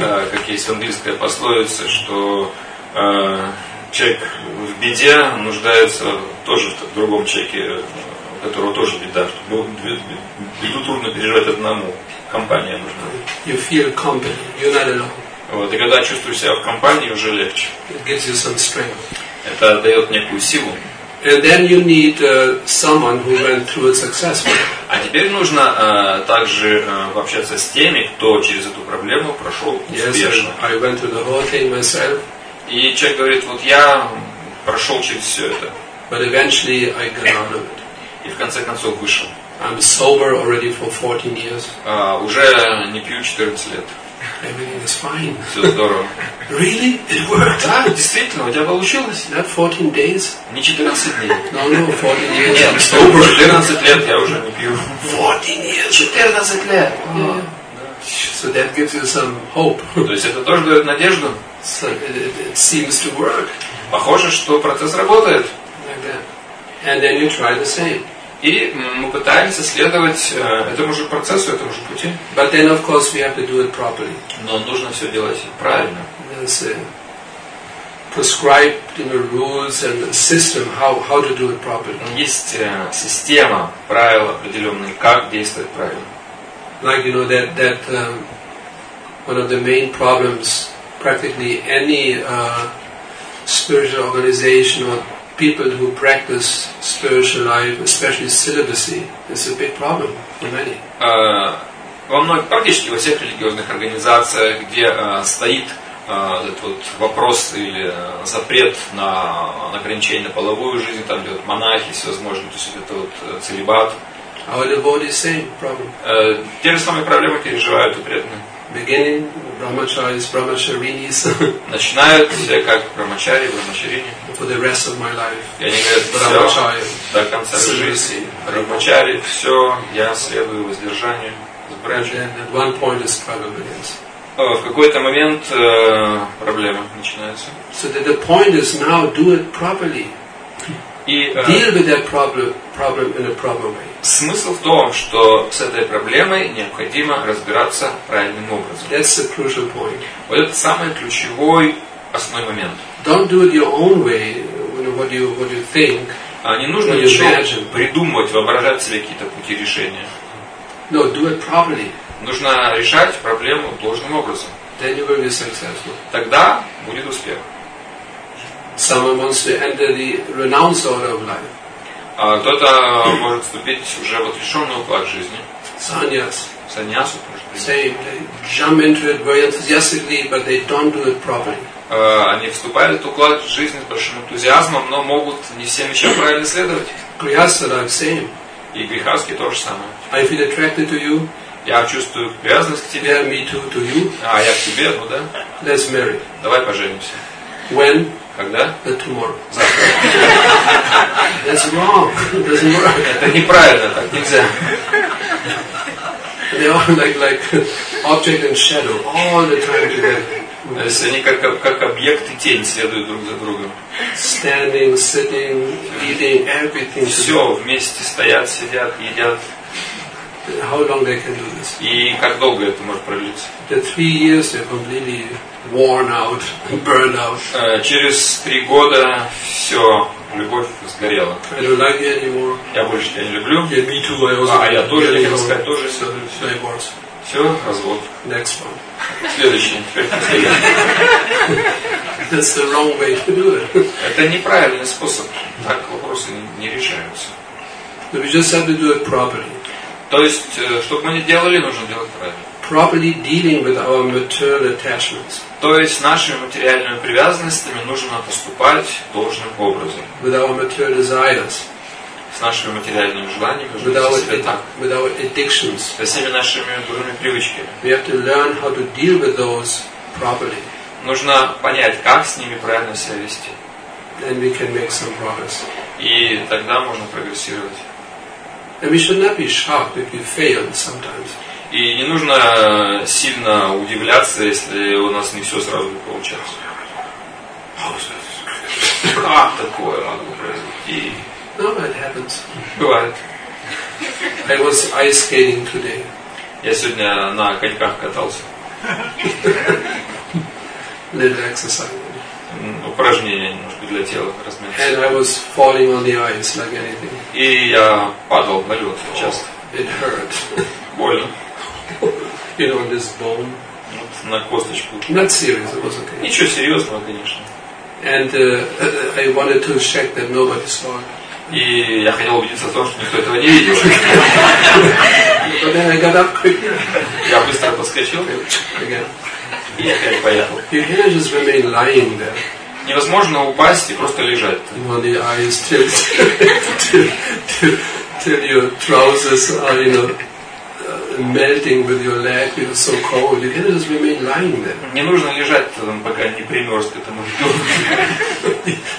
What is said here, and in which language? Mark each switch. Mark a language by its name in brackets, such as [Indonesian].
[Russian] Как есть английская пословица, что человек в беде нуждается тоже в другом человеке, у которого тоже беда. Беду трудно переживать одному. Компания нужна. [English] You feel company. You're not alone. [Russian] Вот, и когда чувствуешь себя в компании, уже легче. [English] It gives you some strength. [Russian] Это дает некую силу. [English] And then you need someone who went through it successfully. [Russian] А теперь нужно также пообщаться с теми, кто через эту проблему прошел успешно. [English] Yes, I went through the whole thing myself. [Russian] И человек говорит, вот я прошел через все это. [English] But eventually I got out of it. [Russian] И в конце концов вышел. [English] I'm sober already for 14 years. [Russian] Уже не пью 14 лет. [English] Everything is fine. [Russian] Все здорово. [English] Really? It worked. [Russian] Да, действительно, у тебя получилось. [English] Not 14 days. [Russian] Не 14 дней. [English] No, no, 14 years. [Russian] Нет, [English] I'm sober. [Russian] 14 лет я уже не пью. [English] 14 years. [Russian] 14 лет. [English] Yeah. So that gives you some hope. [Russian] То есть это тоже дает надежду. [English] So it seems to work. [Russian] Похоже, что процесс работает. [English] Like that. And then you try the same. [Russian] И мы пытаемся следовать этому же процессу, этому же пути. [English] But then, of course, we have to do it properly. [Russian] Но нужно все делать правильно. [English] There's a prescribed rules and system how to do it properly. [Russian] Есть система, правила определенные, как действовать правильно. [English] Like you know that one of the main problems practically any spiritual organization or people who practice spiritual life, especially celibacy, is a big problem for many. [Russian] Во многих, практически во всех религиозных организациях, где стоит этот вот вопрос или запрет на ограничение на половую жизнь, там где вот монахи, всевозможные, то есть это вот целибат. [English] Our devotees same problem. [Russian] Те же самые проблемы переживают и преданные. [English] Beginning brahmacharis, brahmacharinis. [Russian] Начинают все как брахмачари, брахмачарини. [English] For the rest of my life. [Russian] И они говорят, все, до конца жизни. Брахмачари, все, я следую воздержанию. [English] And at one point is probably is. [Russian] В какой-то момент проблема начинается. [English] So the point is now do it properly. Deal with that problem in a proper way. [Russian] Смысл в том, что с этой проблемой необходимо разбираться правильным образом. [English] That's the crucial point. [Russian] Вот это самый ключевой основной момент. [English] Don't do it your own way, what you think. [Russian] Не нужно ничего придумывать, воображать себе какие-то пути решения. [English] No, do it properly. [Russian] Нужно решать проблему должным образом. [English] Then you will be successful. [Russian] Тогда будет успех. [English] Someone wants to enter the renounced order of life. [Russian] Кто-то может вступить уже в отрешенный уклад жизни. Саньяс. Саньясу может быть. [English] Same. They jump into it very enthusiastically, but they don't do it properly. [Russian] Они вступают в уклад жизни с большим энтузиазмом, но могут не всем еще правильно следовать. [English] Грихаса, like same. [Russian] И грихаски то же самое. [English] I feel attracted to you. [Russian] Я чувствую привязанность к тебе. [English] Yeah, me too, to you. [Russian] А я к тебе, ну да. [English] Let's marry. [Russian] Давай поженимся. [English] When? [Russian] Когда? [English] Tomorrow. [Russian] Завтра. [English] That's wrong. That's wrong. [Russian] Это неправильно, так нельзя. [English] They are like object and shadow all the time together. [Russian] То есть они как объект и тень следуют друг за другом. [English] Standing, sitting, eating, everything. [Russian] Все вместе стоят, сидят, едят. [English] How long they can do this? [Russian] И как долго это может продлиться? [English] The 3 years they're completely worn out, burned out. [Russian] Через 3 года все, любовь сгорела. [English] I don't like it anymore. [Russian] Я больше тебя не люблю. [English] Yeah, me too, I also. [Russian] А я тоже не могу сказать, тоже все. [English] Divorce. [Russian] Все, развод. [English] Next one. [Russian] Следующий. [English] That's the wrong way to do it. [Russian] Это неправильный способ. Так вопросы не решаются. [English] But we just have to do it properly. [Russian] То есть, чтобы мы не делали, нужно делать правильно. [English] Properly dealing with our material attachments. [Russian] То есть, нашими материальными привязанностями нужно поступать должным образом. [English] With our material desires. [Russian] С нашими материальными желаниями нужно [English] without [Russian] себя так. [English] With our addictions. [Russian] Со всеми нашими дурными привычками. [English] We have to learn how to deal with those properly. [Russian] Нужно понять, как с ними правильно себя вести. [English] Then we can make some progress. [Russian] И тогда можно прогрессировать. [English] And we should not be shocked if we fail sometimes. [Russian] И не нужно сильно удивляться, если у нас не все сразу не получается. Как такое могло произойти? [English] No, it happens. [Russian] Бывает. [English] I was ice skating today. [Russian] Я сегодня на коньках катался. [English] Little exercise. [Russian] Упражнение немножко для тела размяться. [English] And I was falling on the ice like anything. [Russian] И я падал на лед часто. [English] It hurt. [Russian] Больно. [English] You know, this bone. [Russian] Вот на косточку. [English] Not serious, it was okay. [Russian] Ничего серьезного, конечно. [English] And I wanted to check that nobody saw it. [Russian] И я хотел убедиться в том, что никто этого не видел. [English] But then I got up quickly. [Russian] Я быстро подскочил. [English] Again. [Russian] И опять поехал. [English] You just remain lying there. [Russian] Невозможно упасть и просто лежать. [English] Well, the eyes till your trousers are, you know, melting with your leg, you're so cold. You can just remain lying there. [Russian] Не нужно лежать там, пока не примерз к этому льду.